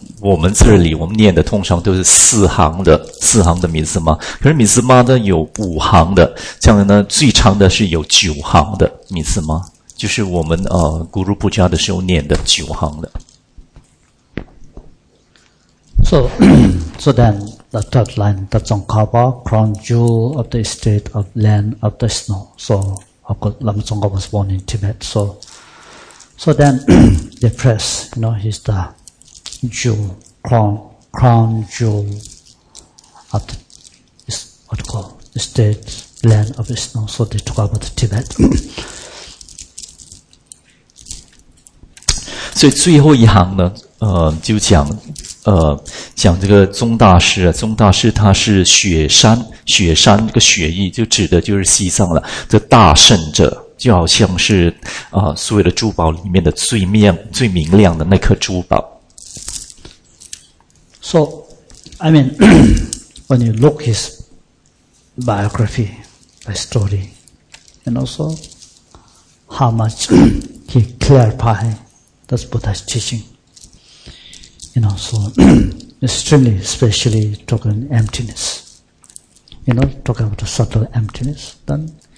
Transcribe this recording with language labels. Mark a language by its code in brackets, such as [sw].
[zh] 我们这里我们念的通常都是四行的米斯玛，可是米斯玛呢有5行的，这样呢最长的是有9行的米斯玛，就是我们古鲁布加的时候念的9行的。 [en] So then the third line, the Tsongkhapa, crown jewel of the estate of land of the snow. So of course Lama Tsongkhapa was born in Tibet. So then the press, you know, he's the jewel, crown jewel of the, is what you call, state, land of the snow. So they talk about Tibet. [zh] 所以最后一行呢，就讲这个宗大师啊，宗大师他是雪山这个雪域，就指的就是西藏了，这大圣者。就好像是所有的珠宝里面的最明亮的那颗珠宝。 [en] So, I mean, when you look his biography, his story, and also how much he clarified the Buddha's teaching, you know, so extremely, especially talking emptiness, you know, talking about the subtle emptiness, then